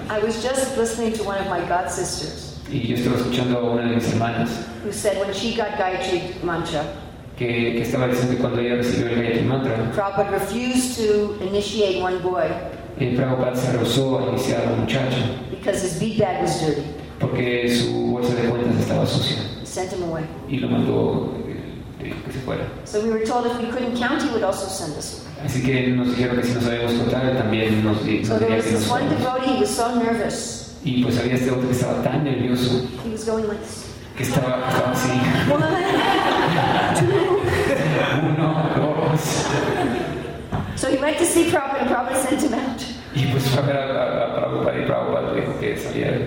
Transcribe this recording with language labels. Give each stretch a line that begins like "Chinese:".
English: I was just listening to one of my god sisters.
Spanish: Y yo estaba escuchando a una de mis hermanas
English: who said when she got Gayatri Mantra,
Spanish: que estaba diciendo que cuando ella recibió el Gayatri Mantra,
English: Prabhupada refused to initiate one boy.
Spanish: Y Prabhupada se rehusó a iniciar a un muchacho
English: because his bead bag was dirty.
Spanish: Porque su bolsa de cuentas estaba sucia.
English: He sent him away.
Spanish: Y lo mandó, dijo que se fuera.
English: So we were told if we couldn't count, he would also send us away.
Spanish: Así que nos dijeron que si no sabíamos contar, también nos diría que nos fuera.
English: So there was this one devotee, he was so nervous.
Spanish: Y pues había este otro que estaba tan nervioso.
English: He was going like this.
Spanish: Que estaba así.
English: 1, 2.
Spanish: 1, 2.
English: So he went to see Prabhupada and Prabhupada sent him out.
Spanish: Y pues fue a ver a Prabhupada y Prabhupada le dijo que saliera.